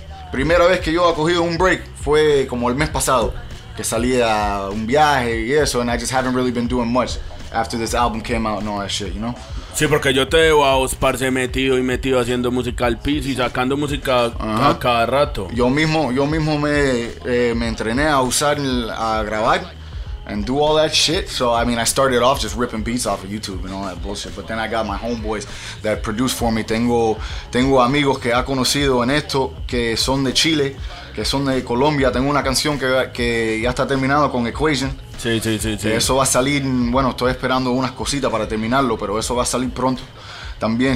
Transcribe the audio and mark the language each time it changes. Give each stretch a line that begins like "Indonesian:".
Spanish: Primera vez que yo he cogido un break fue como el mes pasado. Que salía un viaje y eso,
English: and I just haven't really been doing much after this album came out and all that shit, you know?
Spanish: Sí, porque yo te veo a vos, parce, metido haciendo música al piso y sacando música a cada rato. Yo mismo me entrené a usar, a grabar
English: and do all that shit. So, I mean, I started off just ripping beats off of YouTube and all that bullshit, but then I got my homeboys that produce for me.
Spanish: Tengo amigos que ha conocido en esto que son de Chile, que son de Colombia. Tengo una canción que ya está terminada con Equation. Sí. Eso va a salir, bueno, estoy esperando unas cositas para terminarlo, pero eso va a salir pronto también.